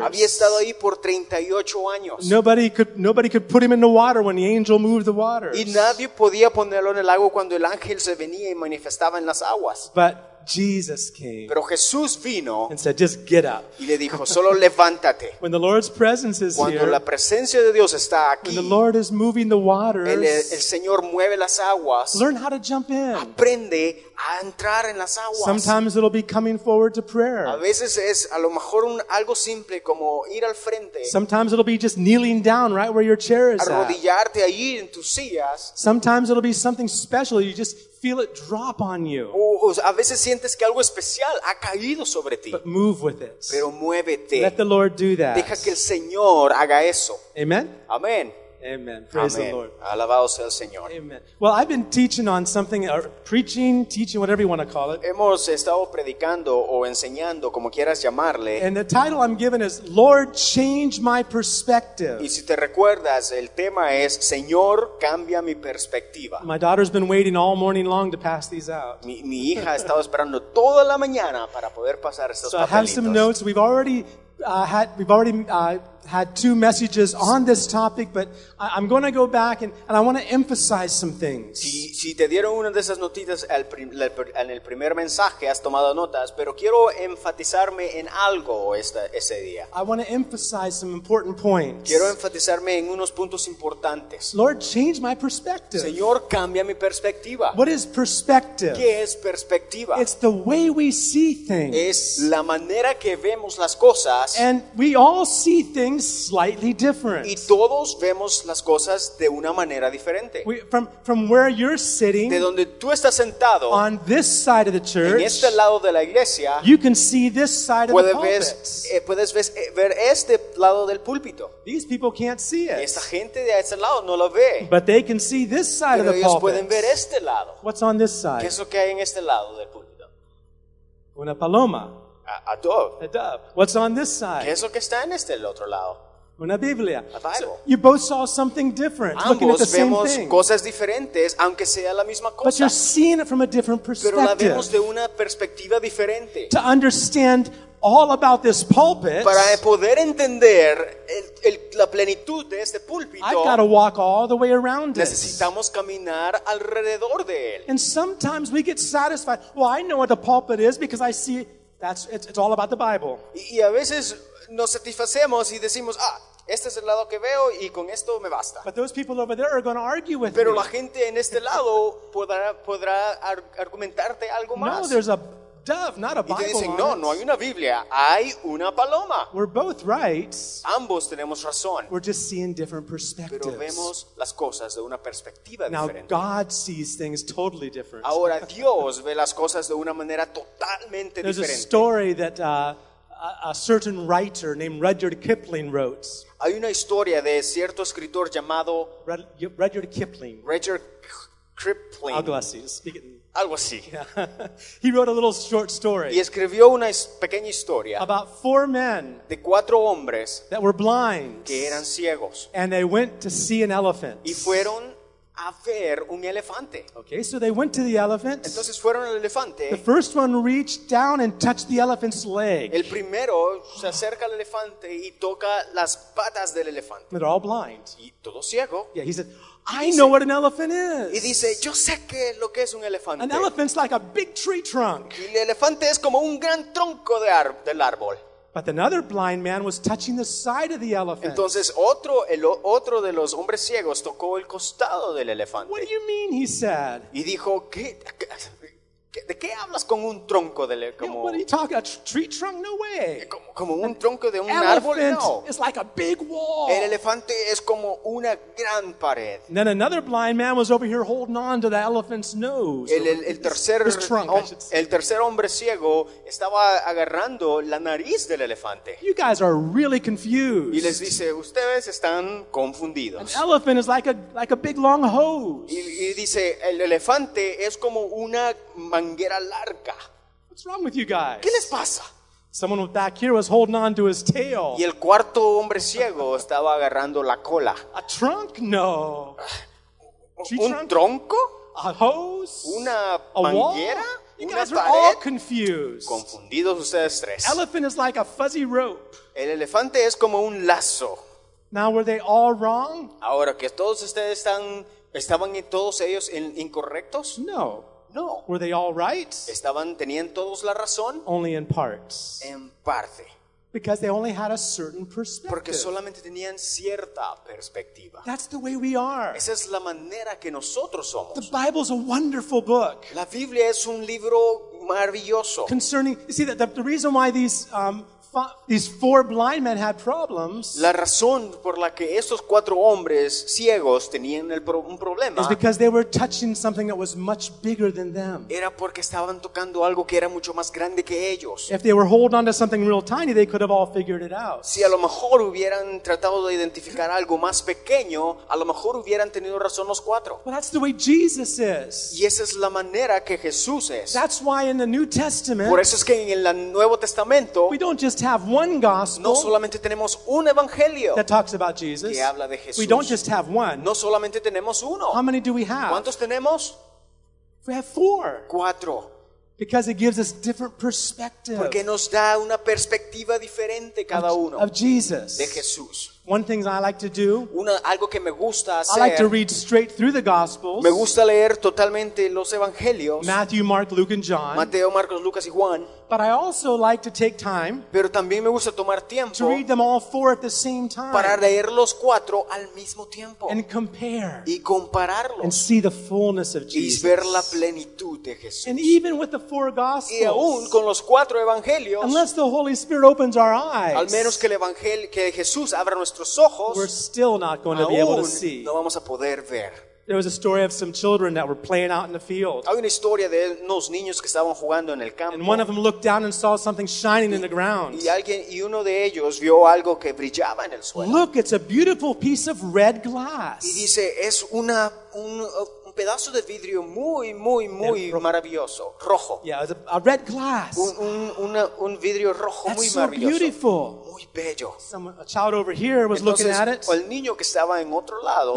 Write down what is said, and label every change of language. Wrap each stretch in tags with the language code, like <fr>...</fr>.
<es>Había estado ahí por 38 años.</es> <en>Nobody could put him in the water when the angel moved the waters.</en> <es>Y nadie podía ponerlo en el agua cuando el ángel se venía y manifestaba en las aguas.</es> <en>But Jesus came.</en> <es>Pero Jesús vino</es> <en>and said, "Just get up."</en> <es>Y le dijo, "Solo levántate."</es> <en>When the Lord's presence is</en> <es>cuando</es> <en>here,</en> <es>la presencia de Dios está aquí,</es> <en>when the Lord is moving the waters,</en> <es>el Señor mueve las aguas.</es> <en>Learn how to jump in.</en> <es>Aprende a entrar en las aguas.</es> <en>Sometimes it'll be coming forward to prayer.</en> <es>A veces es a lo mejor algo simple como ir al frente.</es> <en>Sometimes it'll be just kneeling down right where your chair is.</en> <es>Arrodillarte allí en tus sillas.</es> <en>Sometimes it'll be something special. You just feel it drop on you.</en> <es>O a veces sientes que algo especial ha caído sobre ti.</es> <en>But move with it.</en> <es>Pero muévete.</es> <en>Let the Lord do that.</en> <es>Deja que el Señor haga eso.</es> <en>Amen. Amen. Amen. Praise Amen. The Lord.</en> <es>Alabado sea el Señor.</es> <en>Amen. Well, I've been teaching on something, or preaching, whatever you want to call it.</en> <es>Hemos estado predicando o enseñando, como quieras llamarle.</es> <en>And the title I'm given is "Lord, change my perspective."</en> <es>Y si te recuerdas, el tema es "Señor, cambia mi perspectiva."</es> <en>My daughter's been waiting all morning long to pass these out.</en> <es>Mi hija ha estado esperando toda la mañana para poder pasar estos</es> <en>so</en> <es>papelitos.</es> <en>So I have some notes. We've already had two messages on this topic, but I'm going to go back and I want to emphasize some things.</en> <es>Si te dieron una de esas notitas en el primer mensaje, has tomado notas, pero quiero enfatizarme en algo ese día.</es> <en>I want to emphasize some important points.</en> <es>Quiero enfatizarme en unos puntos importantes.</es> <en>Lord, change my perspective.</en> <es>Señor, cambia mi perspectiva.</es> <en>What is perspective?</en> <es>¿Qué es perspectiva?</es> <en>It's the way we see things.</en> <es>Es la manera que vemos las cosas.</es> <en>And we all see things slightly different.</en> <es>Y todos vemos las cosas de una manera diferente.</es> <en>From where you're sitting,</en> <es>de donde tú estás sentado,</es> <en>on this side of the church,</en> <es>en este lado de la iglesia,</es> <en>you can see this side of the pulpit.</en> <es>Puedes ver este lado del púlpito.</es> <en>These people can't see it.</en> <es>Esta gente de este lado no lo ve.</es> <en>But they can see this side of the pulpit.</en> <es>Pero ellos pueden ver este lado.</es> <en>What's on this side?</en> <es>¿Qué es lo que hay en este lado del púlpito? Una paloma.</es> <en>A dove. What's on this side?</en> <es>¿Qué es lo que está en este el otro lado? Una Biblia.</es> <en>A Bible. So you both saw something different.</en> <es>Ambos</es> <en>looking at the</en> <es>vemos</es> <en>same thing.</en> <es>Cosas diferentes, aunque sea la misma cosa.</es> <en>But you're seeing it from a different perspective.</en> <es>Pero la vemos de una perspectiva diferente.</es> <en>To understand all about this pulpit.</en> <es>Para poder entender la plenitud de este púlpito.</es> <en>I've got to walk all the way around</en> <es>necesitamos</es> <en>it.</en> <es>Caminar alrededor de él.</es> <en>And sometimes we get satisfied. Well, I know what the pulpit is because I see it's all about the Bible.</en> <es>Y a veces nos satisfacemos y decimos, ah, este es el lado que veo y con esto me basta.</es> <en>But those people over there are going to argue with</en> <es>pero</es> <en>me.</en> <es>La gente en este lado podrá argumentarte algo más.</es> <en>No, there's a dove, not a Bible.</en> <es>Y te dicen, no, no hay una Biblia, hay una paloma.</es> <en>We're both right.</en> <es>Ambos tenemos razón.</es> <en>We're just seeing different perspectives.</en> <es>Pero vemos las cosas de una perspectiva</es> <en>now,</en> <es>diferente.</es> <en>Now God sees things totally different.</en> <es>Ahora Dios ve las cosas de una manera totalmente</es> <en>there's</en> <es>diferente.</es> <en>A story that a certain writer named Rudyard Kipling wrote.</en> <es>Hay una historia de cierto escritor llamado Rudyard Kipling. Rudyard Kipling. Algo así.</es> <en>Yeah. He wrote a little short story.</en> <es>Y escribió una pequeña historia.</es> <en>About four men.</en> <es>De cuatro hombres.</es> <en>That were blind.</en> <es>Que eran ciegos.</es> <en>And they went to see an elephant.</en> <es>Y fueron a ver un elefante.</es> <en>Okay, so they went to the elephant.</en> <es>Entonces fueron al elefante.</es> <en>The first one reached down and touched the elephant's leg.</en> <es>El primero se acerca al elefante y toca las patas del elefante.</es> <en>They're all blind.</en> <es>Y todo ciego.</es> <en>Yeah, he said, I know what an elephant is.</en> <es>Y dice, yo sé qué lo que es un elefante.</es> <en>An elephant's like a big tree trunk.</en> <es>Y el elefante es como un gran tronco del árbol.</es> <en>But another blind man was touching the side of the elephant.</en> <es>Entonces otro de los hombres ciegos tocó el costado del elefante.</es> <en>What do you mean? He said.</en> <es>Y dijo ¿qué, de qué hablas con un tronco de como?</es> <en>What are you talking about? Tree trunk? No way.</en> <es>Como un tronco de un árbol? No.</es> <en>It's like a big wall.</en> <es>El elefante es como una gran pared.</es> <en>And then another blind man was over here holding on to the elephant's nose.</en> <es>El tercer hombre ciego estaba agarrando la nariz del elefante.</es> <en>You guys are really confused.</en> <es>Y les dice, ustedes están confundidos.</es> <en>An elephant is like a big long hose.</en> <es>Y dice, el elefante es como una manguera larga.</es> <en>What's wrong with you guys?</en> <es>¿Qué les pasa?</es> <en>Someone back here was holding on to his tail.</en> <es>Y el cuarto hombre ciego estaba agarrando la cola.</es> <en>A trunk? No.</en> <es>¿Un tronco?</es> <en>A hose?</en> <es>¿Una manguera?</es> <en>You guys are all confused.</en> <es>Confundidos ustedes tres.</es> <en>Elephant is like a fuzzy rope.</en> <es>El elefante es como un lazo.</es> <en>Now were they all wrong?</en> <es>Ahora que todos ustedes estaban todos ellos incorrectos?</es> <en>No.</en> <es>No.</es> <en>Were they all right?</en> <es>Estaban teniendo todos la razón.</es> <en>Only in parts.</en> <es>En parte.</es> <en>Because they only had a certain perspective.</en> <es>Porque solamente tenían cierta perspectiva.</es> <en>That's the way we are.</en> <es>Esa es la manera que nosotros somos.</es> <en>The Bible's a wonderful book.</en> <es>La Biblia es un libro maravilloso.</es> <en>Concerning, you see, the reason why these four blind men had problems.</en> <es>La razón por la que estos cuatro hombres ciegos tenían un problema.</es> <en>Is because they were touching something that was much bigger than them.</en> <es>Era porque estaban tocando algo que era mucho más grande que ellos.</es> <en>If they were holding on to something real tiny, they could have all figured it out.</en> <es>Si a lo mejor hubieran tratado de identificar algo más pequeño, a lo mejor hubieran tenido razón los cuatro.</es> <en>Well, that's the way Jesus is.</en> <es>Y esa es la manera que Jesús es.</es> <en>That's why in the New Testament.</en> <es>Por eso es que en el Nuevo Testamento.</es> <en>We don't just have one gospel.</en> <es>No solamente tenemos un evangelio</es> <en>that talks about Jesus.</en> <es>Que habla de Jesús.</es> <en>We don't just have one.</en> <es>No solamente tenemos uno.</es> <en>How many do we have?</en> <es>¿Cuántos tenemos?</es> <en>We have four.</en> <es>Cuatro.</es> <en>Because it gives us different perspective.</en> <es>Porque nos da una perspectiva diferente cada uno.</es> <en>Of Jesus.</en> <es>De Jesús.</es> <en>One thing I like to do.</en> <es>Algo que me gusta hacer.</es> <en>I like to read straight through the Gospels.</en> <es>Me gusta leer totalmente los evangelios.</es> <en>Matthew, Mark, Luke, and John.</en> <es>Mateo, Marcos, Lucas, y Juan.</es> <en>But I also like to take time.</en> <es>Pero también me gusta tomar tiempo.</es> <en>To read them all four at the same time.</en> <es>Para leer los cuatro al mismo tiempo.</es> <en>And compare.</en> <es>Y compararlos.</es> <en>And see the fullness of Jesus.</en> <es>Y ver la plenitud de Jesús.</es> <en>And even with the four Gospels.</en> <es>Y aún con los cuatro evangelios.</es> <en>Unless the Holy Spirit opens our eyes.</en> <es>Al menos que el evangelio que Jesús abra nuestros</es> <en>we're still not going to be able to see.</en> <es>No vamos a poder ver.</es> <en>There was a story of some children that were playing out in the field.</en> <es>Hay una historia de unos niños que estaban jugando en el campo.</es> <en>And one of them looked down and saw something shining in the ground.</en> <es>Y uno de ellos vio algo que brillaba en el suelo.</es> <en>Look, it's a beautiful piece of red glass.</en> <es>Y dice, es una un pedazo de vidrio muy, muy, muy maravilloso, rojo.</es> <en>Yeah, it was a red glass.</en> <es>Un vidrio rojo.</es> <en>That's</en> <es>muy</es> <en>so</en> <es>maravilloso.</es> <en>Beautiful.</en> <es>Muy bello.</es> <en>A child over here was</en> <es>Entonces,</es> <en>looking at it.</en> <es>El niño que estaba en otro lado.</es>